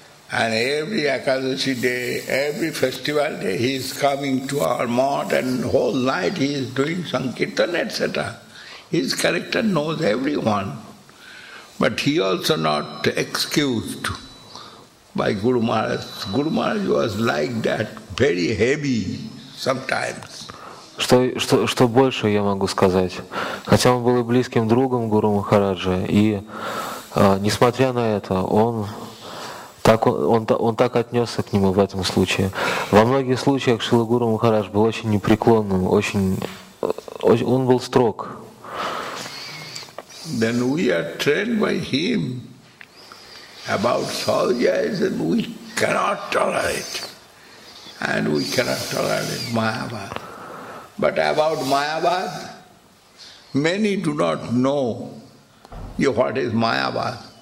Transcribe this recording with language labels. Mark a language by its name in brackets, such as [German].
[English] And every Akadashi day, every festival day, he is coming to our mart and whole night he is doing Sankirtan, etc. His character knows everyone. But he also not excused by Guru Maharaj. Guru Maharaj was like that. Very heavy sometimes. [Russian] Что больше я могу сказать? Хотя он был и близким другом Гуру Махараджа, и несмотря на это, он так отнесся к нему в этом случае. Во многих случаях Шрила Гуру Махарадж был очень непреклонным, очень он был строг. [English] Then we are trained by him about soldiers and we cannot tolerate. And we cannot tolerate Mayavad. But about Mayavad, many do not know what is Mayavad.